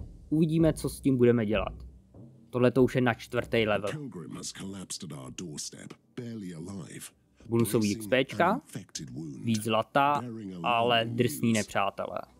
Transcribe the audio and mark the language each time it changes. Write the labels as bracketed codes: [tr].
[cs] Uvidíme, co s tím budeme dělat. Tohle to už je na čtvrtý level. [en] Pilgrim has collapsed at our doorstep, barely alive. [cs] Bonusový XPčka, víc zlata, ale drsní nepřátelé.